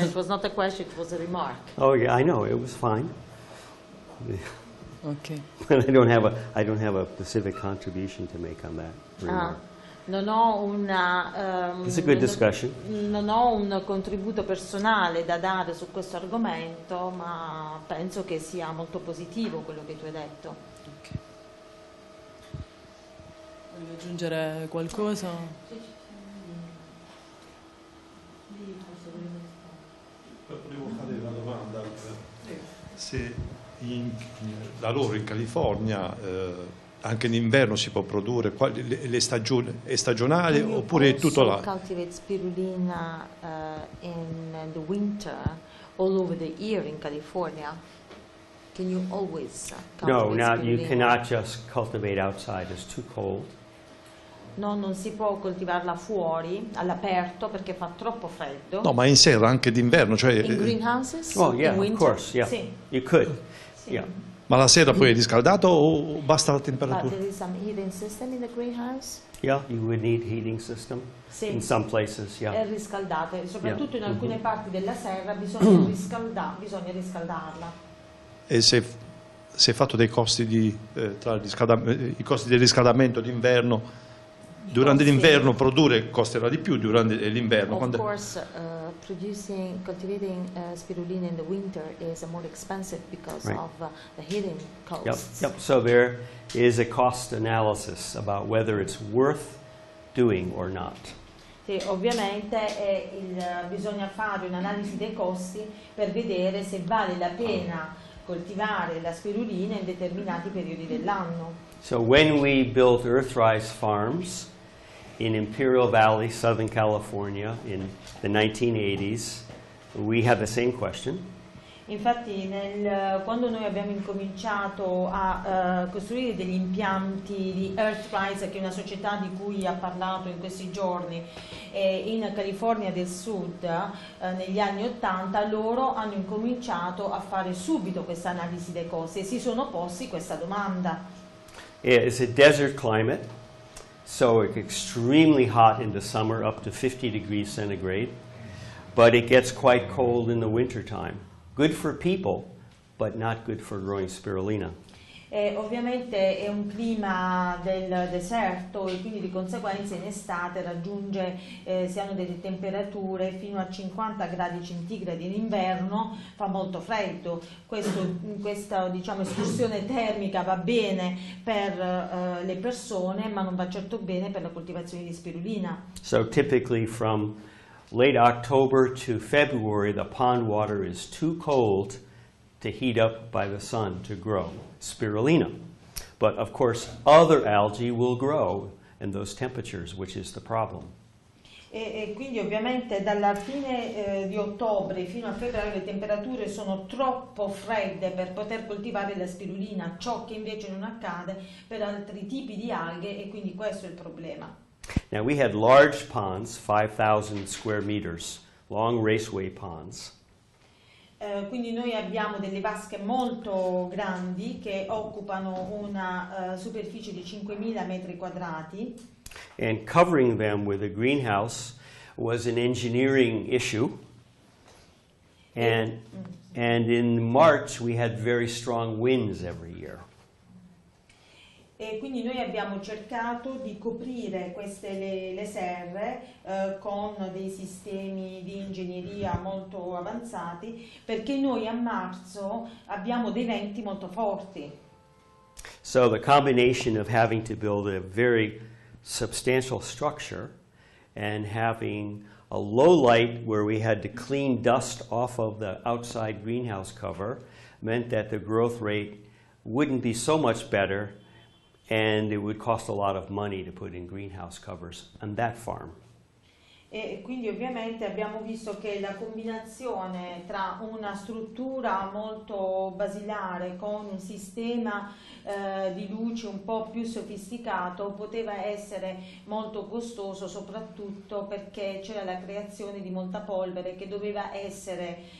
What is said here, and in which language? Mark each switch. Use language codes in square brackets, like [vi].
[en] It was not a question, it was a remark. Oh yeah, I know, it was fine. Okay. But I don't have a specific contribution to make on that. [it] Non ho una [en] It's a good discussion. [it] Non ho un contributo personale da dare su questo argomento, ma penso che sia molto positivo quello che tu hai detto. [en] Okay. [it] Voglio aggiungere qualcosa? Volevo fare una domanda. Sì. Da loro in California anche in inverno si può produrre, le stagioni è stagionale oppure tutto là? [en] Cultivate spirulina in the winter all over the year in California. Can you always cultivate spirulina? No, you cannot just cultivate outside, it's too cold. [it] No, non si può coltivarla fuori, all'aperto, perché fa troppo freddo. No, ma in serra anche d'inverno, cioè [en] in greenhouses? Oh yeah, of course, yeah. [it] Sì. [en] You could. [it] Ma la sera poi è riscaldato o basta la temperatura? [en] There is some heating system in the greenhouse. Yeah, you would need heating system in some places. Yeah. [it] È riscaldato, soprattutto in alcune parti della serra bisogna riscaldarla. E se è fatto dei costi di tra il riscaldamento, i costi del riscaldamento d'inverno, durante l'inverno produrre costerà di più durante l'inverno. [en] Of course, producing, cultivating spirulina in the winter is more expensive because of the heating costs. Yep. So there is a cost analysis about whether it's worth doing or not. [it] Sì, ovviamente bisogna fare un'analisi dei costi per vedere se vale la pena coltivare la spirulina in determinati periodi dell'anno. [en] So when we built Earthrise Farms in Imperial Valley, Southern California, in the 1980s, we had the same question. [it] Infatti, quando noi abbiamo incominciato a costruire degli impianti di Earthrise, che è una società di cui ha parlato in questi giorni, in California del Sud, negli anni '80, loro hanno incominciato a fare subito questa analisi dei costi e si sono posti questa domanda. [en] It's a desert climate. So it's extremely hot in the summer, up to 50 degrees centigrade, but it gets quite cold in the winter time. Good for people, but not good for growing spirulina. [it] Ovviamente è un clima del deserto e quindi di conseguenza in estate raggiunge, si hanno delle temperature fino a 50 gradi centigradi, in inverno fa molto freddo. Questa diciamo, escursione termica va bene per le persone, ma non va certo bene per la coltivazione di spirulina. [en] So typically from late October to February the pond water is too cold to heat up by the sun to grow spirulina. But of course other algae will grow in those temperatures, which is the problem. [it] E quindi ovviamente dalla fine di ottobre fino a febbraio le temperature sono troppo fredde per poter coltivare la spirulina, ciò che invece non accade per altri tipi di alghe e quindi questo è il problema. [en] Now we had large ponds, 5,000 square meters, long raceway ponds. [it] Quindi noi abbiamo delle vasche molto grandi che occupano una superficie di 5.000 metri quadrati. [en] And covering them with a greenhouse was an engineering issue. And, And in March we had very strong winds every year. [it] E quindi noi abbiamo cercato di coprire queste le serre con dei sistemi di ingegneria molto avanzati, perché noi a marzo abbiamo dei venti molto forti. [en] So the combination of having to build a very substantial structure and having a low light where we had to clean dust off of the outside greenhouse cover meant that the growth rate wouldn't be so much better. And it would cost a lot of money to put in greenhouse covers on that farm. [it] E quindi ovviamente abbiamo visto che la combinazione tra una struttura molto basilare con un sistema di luce un po' più sofisticato poteva essere molto costoso, soprattutto perché c'era la creazione di molta polvere che doveva essere